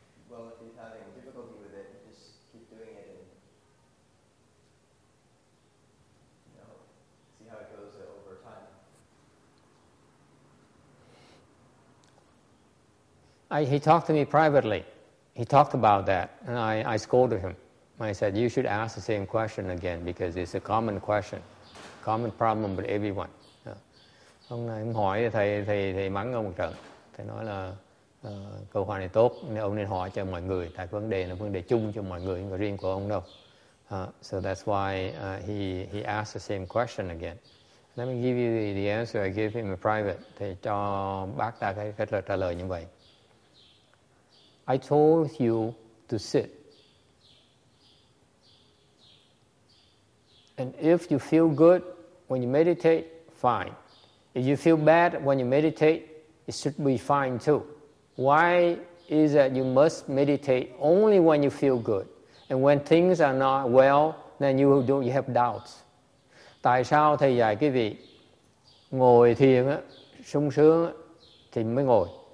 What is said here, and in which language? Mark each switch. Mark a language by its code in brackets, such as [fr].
[en] Well, if he's having difficulty with it, just keep doing it and, see how it goes over time. He talked to me privately. He talked about that, and I scolded him. I said, you should ask the same question again, because it's a common question, common problem with everyone. [vi] Hôm nay em hỏi thầy mắng ông một trận. Thầy nói là câu hỏi này tốt, nên ông nên hỏi cho mọi người, tại vấn đề là vấn đề chung cho mọi người, không có riêng của ông đâu. [en] So that's why he asked the same question again. Let me give you the answer I gave him in private. [vi] Thầy cho bác ta cái trả lời như vậy. [en] I told you to sit. And if you feel good when you meditate, fine. If you feel bad when you meditate, it should be fine too. Why is that you must meditate only when you feel good? And when things are not well, then you have doubts. [vi] Tại sao thầy dạy quý vị ngồi thiền á, sung sướng á, thì mới ngồi.